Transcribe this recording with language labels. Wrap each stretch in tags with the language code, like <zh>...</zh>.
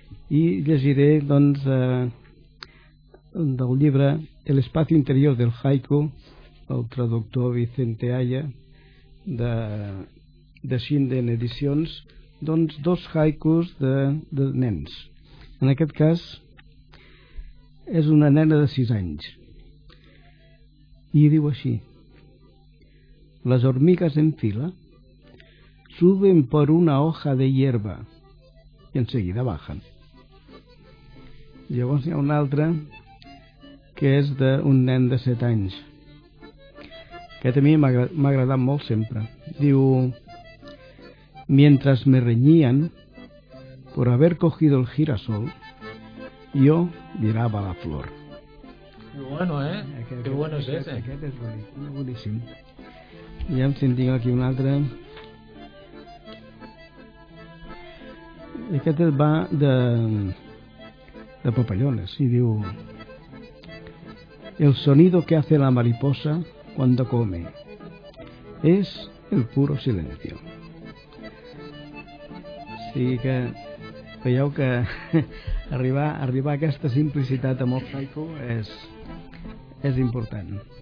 <ca>I llegiré, doncs, del llibre El espacio interior del haiku, el traductor Vicente Aya, de Shinden Edicions, doncs dos haikus de nens. En aquest cas, és una nena de 6 anys. I diu així:</ca> <es>las hormigas en fila suben por una hoja de hierba y enseguida bajan.</es> <ca>Llavors hi ha un altre que és d'un nen de 7 anys. Aquest a mi m'ha agradat molt sempre.</ca> <es>Diu: mientras me reñían por haber cogido el girasol, yo miraba la flor. Qué bueno es ese.</es> <ca>Aquest és boníssim. I em sentim aquí un altre. Aquest va de papallones i diu:</ca> <es>el sonido que hace la mariposa cuando come es el puro silencio.</es> <ca>Sí que veieu que arribar a aquesta simplicitat amb el haiku és important.</ca>